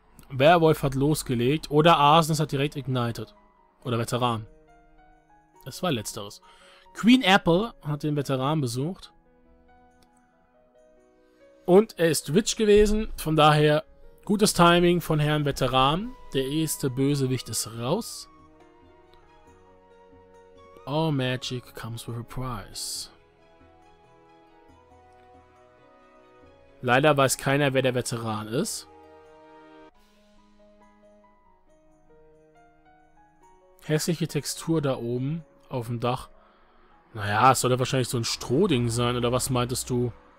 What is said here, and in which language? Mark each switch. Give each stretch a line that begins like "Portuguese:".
German: Werwolf hat losgelegt oder Arsonist hat direkt ignited. Oder Veteran. Es war letzteres. Queen Apple hat den Veteran besucht. Und er ist Witch gewesen. Von daher gutes Timing von Herrn Veteran. Der erste Bösewicht ist raus.
English: All magic comes with a price.
German: Leider weiß keiner, wer der Veteran ist. Hässliche Textur da oben auf dem Dach. Naja, es sollte wahrscheinlich so ein Strohding sein, oder was meintest du?